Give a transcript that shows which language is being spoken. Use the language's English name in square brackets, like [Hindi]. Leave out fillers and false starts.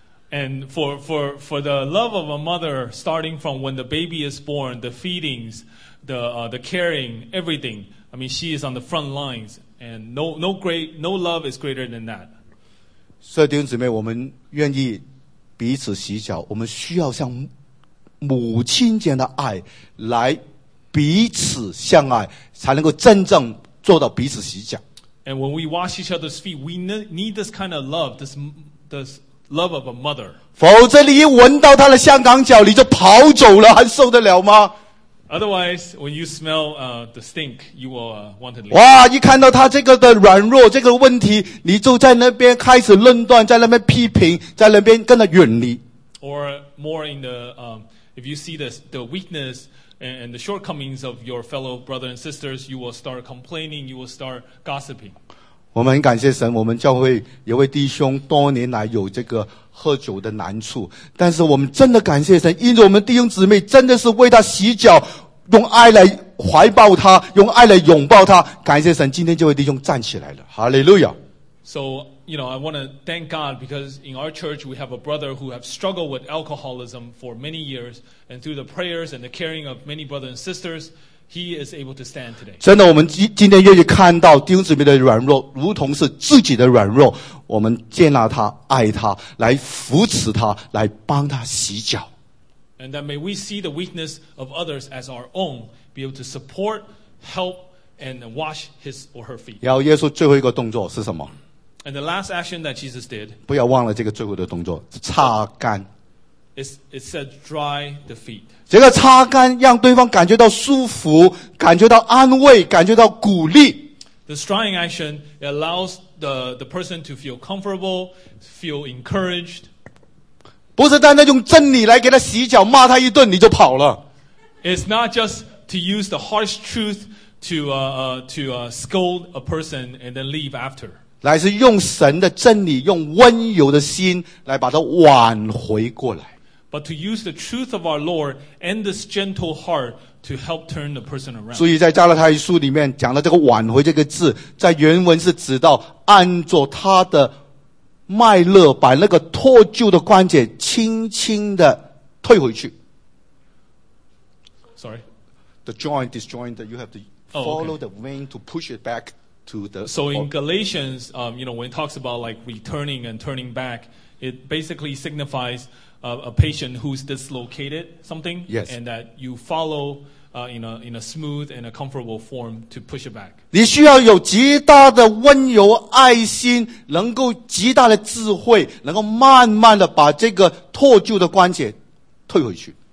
[English] And for the love of a mother, starting from when the baby is born, the feedings, the caring, everything. I mean, she is on the front lines, and no love is greater than that. [Chinese] 所以弟兄姊妹，我们愿意彼此洗脚，我们需要像母亲这样的爱来彼此相爱，才能够真正做到彼此洗脚。 [English] And when we wash each other's feet, we need this kind of love. This love of a mother. [Chinese] 否则你一闻到他的香港脚，你就跑走了，还受得了吗？ [English] Otherwise, when you smell the stink, you will want to leave. 哇！ [Chinese] 一看到他这个的软弱，这个问题，你就在那边开始论断，在那边批评，在那边跟他远离。 [English] Or more in the if you see the weakness and the shortcomings of your fellow brother and sisters, you will start complaining. You will start gossiping. [Chinese] 我们很感谢神，我们教会有位弟兄多年来有这个。喝酒的难处，但是我们真的感谢神，因着我们弟兄姊妹真的是为他洗脚，用爱来怀抱他，用爱来拥抱他。感谢神，今天这位弟兄站起来了，哈利路亚。 [English] So, you know, I want to thank God because in our church we have a brother who have struggled with alcoholism for many years, and through the prayers and the caring of many brothers and sisters, he is able to stand today. [Chinese] 真的，我们今天愿意看到弟兄姊妹的软弱，如同是自己的软弱。我们接纳他，爱他，来扶持他，来帮他洗脚。 [English] And that may we see the weakness of others as our own, be able to support, help, and wash his or her feet. [Chinese] 然后耶稣最后一个动作是什么 [English] ？And the last action that Jesus did. [Chinese] 不要忘了这个最后的动作，擦干。 [English] It said dry the feet. [Chinese] 这个擦干让对方感觉到舒服，感觉到安慰，感觉到鼓励。 [English] The drying action allows the person to feel comfortable, feel encouraged. [Chinese] 不是单单用真理来给他洗脚，骂他一顿你就跑了。 [English] It's not just to use the harsh truth to scold a person and then leave after. [Chinese] 乃是用神的真理，用温柔的心来把它挽回过来。 [English] But to use the truth of our Lord and this gentle heart to help turn the person around. [Chinese] 所以在加拉太书里面讲的这个挽回这个字，在原文是指到按着他的脉络，把那个脱臼的关节轻轻的退回去。 [English] Sorry, the joint disjoint that you have to follow the vein to push it back. So in Galatians, you know, when it talks about like returning and turning back, it basically signifies a patient who's dislocated something, yes. And that you follow in a smooth and a comfortable form to push it back. [Chinese] 你需要有极大的温柔爱心，能够极大的智慧，能够慢慢的把这个脱臼的关节退回去。